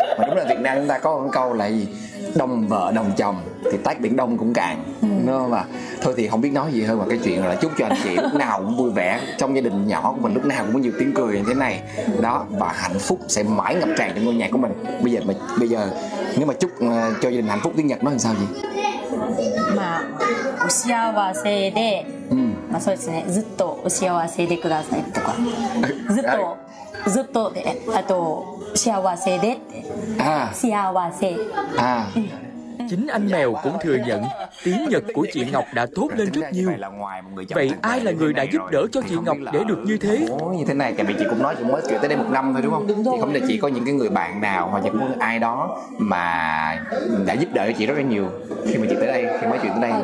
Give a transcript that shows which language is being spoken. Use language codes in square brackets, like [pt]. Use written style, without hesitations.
[vi] Mà đúng là Việt Nam chúng ta có một câu là gì, đồng vợ đồng chồng thì tác biển đông cũng cạn. Đúng không ạ? Thôi thì không biết nói gì hơn, mà cái chuyện là chúc cho anh chị lúc nào cũng vui vẻ, trong gia đình nhỏ của mình lúc nào cũng có nhiều tiếng cười như thế này đó, và hạnh phúc sẽ mãi ngập tràn trong ngôi nhà của mình. Bây giờ nếu mà chúc cho gia đình hạnh phúc tiếng Nhật nó làm sao vậy? [ja] Mà お幸せで、まあそうですね、ずっとお幸せでくださいとか、ずっとずっとで、あと幸せでって、幸せ。 [vi] Chính anh Mèo cũng thừa nhận tiếng Nhật của chị Ngọc đã tốt lên rất nhiều. Vậy ai là người đã giúp đỡ cho chị Ngọc để được như thế? Như thế này, tại vì chị cũng nói chị mới kể tới đây một năm thôi đúng không? Thì không, là chị có những cái người bạn nào hoặc là những ai đó mà đã giúp đỡ cho chị rất là nhiều khi mà chị tới đây, khi nói chuyện tới đây.